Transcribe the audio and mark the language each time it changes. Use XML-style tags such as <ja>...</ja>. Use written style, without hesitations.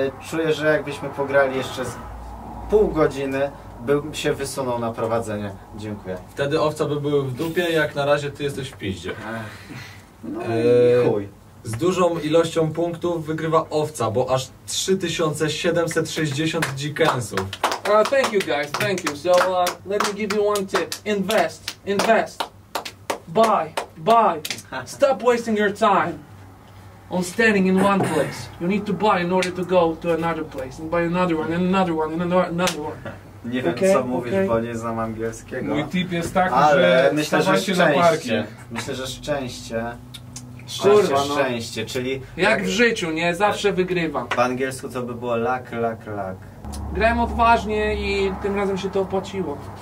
<pl>Czuję, że jakbyśmy pograli jeszcze z pół godziny, bym się wysunął na prowadzenie. Dziękuję. Wtedy owca by były w dupie, jak na razie ty jesteś w piździe. Chuj. Z dużą ilością punktów wygrywa owca, bo aż 3760 dzikensów.</pl> <en>Thank you guys, thank you. So let me give you one tip. Invest. Buy. Stop wasting your time on standing in one place. You need to buy in order to go to another place. And buy another one, and another one, and another one.</en> <pl>Nie wiem, okay, co mówisz, okay, bo nie znam angielskiego. Mój tip jest taki, ale że stawajcie na parkie. Myślę, że szczęście. Szczęście, no. Szczęście, czyli... Jak w życiu, nie? Zawsze wygrywam. Po angielsku to by było luck. Grałem odważnie i tym razem się to opłaciło.</pl>